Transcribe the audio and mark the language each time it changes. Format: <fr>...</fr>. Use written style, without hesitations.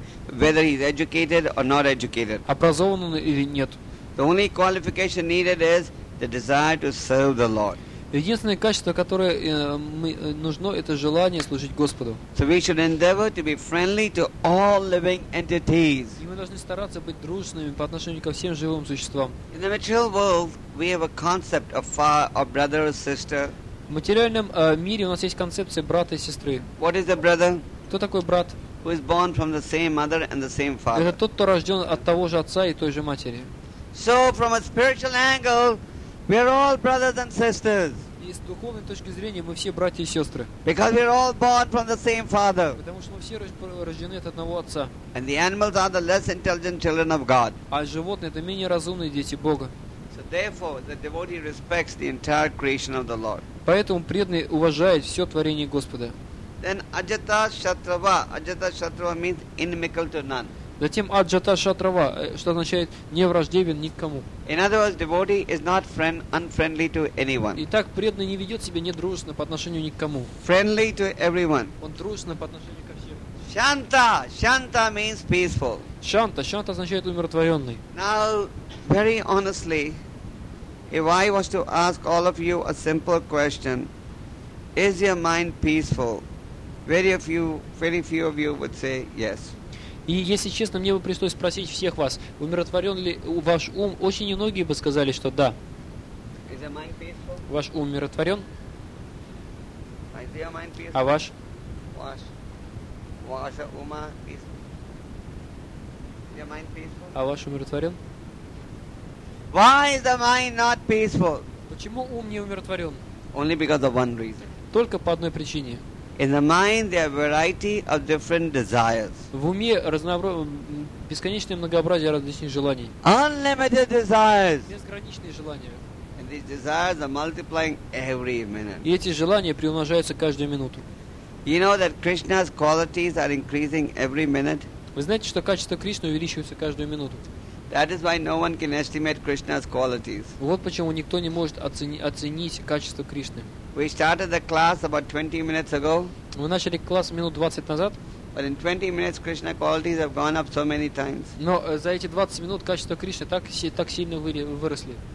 <en>Whether he's educated or not educated.</en> <ru>Образован он или нет?</ru> <en>The only qualification needed is the desire to serve the Lord.</en> <ru>Единственное качество, которое нужно, это желание служить Господу.</ru> <en>So we should endeavor to be friendly to all living entities.</en> <ru>И мы должны стараться быть дружными по отношению ко всем живым существам.</ru> <en>In the material world, we have a concept of our brother or sister.</en> <ru>В материальном мире у нас есть концепция брата и сестры.</ru> <en>What is a brother?</en> <ru>Кто такой брат?</ru> <en>Who is born from the same mother and the same father.</en> <ru>Это тот, кто рожден от того же отца и той же матери.</ru> <en>So from a spiritual angle, we are all brothers and sisters.</en> <ru>И с духовной точки зрения мы все братья и сестры.</ru> <en>Because we are all born from the same father.</en> <ru>Потому что мы все рождены от одного отца.</ru> <en>And the animals are the less intelligent children of God.</en> <ru>А животные это менее разумные дети Бога.</ru> <en>So therefore, the devotee respects the entire creation of the Lord.</en> <ru>Поэтому преданный уважает все творение Господа.</ru> <en>Then Ajata Shatrava. Ajata Shatrava means inimical to none.</en> <ru>Затем аджата шатрава, что означает не враждебен никому.</ru> <en>In other words, devotee is not friend unfriendly to anyone.</en> <ru>Итак, преданный не ведет себя недружественно по отношению никому.</ru> <en>Friendly to everyone.</en> <ru>Он дружественно по отношению ко всем.</ru> <en>Shanta. Shanta means peaceful.</en> <ru>Shanta означает умиротворенный.</ru> <en>Now, very honestly, if I was to ask all of you a simple question, is your mind peaceful? Very few of you would say yes.</en> <ru>И если честно, мне бы пришлось спросить всех вас, умиротворен ли ваш ум? Очень немногие бы сказали, что да.</ru> <en>Is your mind peaceful?</en> <ru>Ваш ум умиротворен?</ru> <en>Is your mind peaceful?</en> <ru>А ваш? Ваш ум</ru> <en>peaceful. Is your mind peaceful?</en> <ru>А ваш умиротворен?</ru> <en>Why is the mind not peaceful?</en> <ru>Почему ум не умиротворен?</ru> <en>Only because of one reason.</en> <ru>Только по одной причине.</ru> <en>In the mind there are variety of different desires.</en> <ru>В уме бесконечное многообразие различных желаний.</ru> <en>Unlimited desires.</en> <ru>Безграничные желания.</ru> <en>And these desires are multiplying every minute.</en> <ru>И эти желания приумножаются каждую минуту.</ru> <en>You know that Krishna's qualities are increasing every minute?</en> <ru>Вы знаете, что качество Кришны увеличивается каждую минуту?</ru> <en>That is why no one can estimate Krishna's qualities.</en> <ru>Вот почему никто не может оценить качество Кришны.</ru> <en>We started the class about 20 minutes ago.</en> <ru>Мы начали класс минут 20 назад.</ru> <en>But in 20 minutes, Krishna qualities have gone up so many times.</en> <ru>Но за эти 20 минут качество Кришны так сильно выросли.</ru>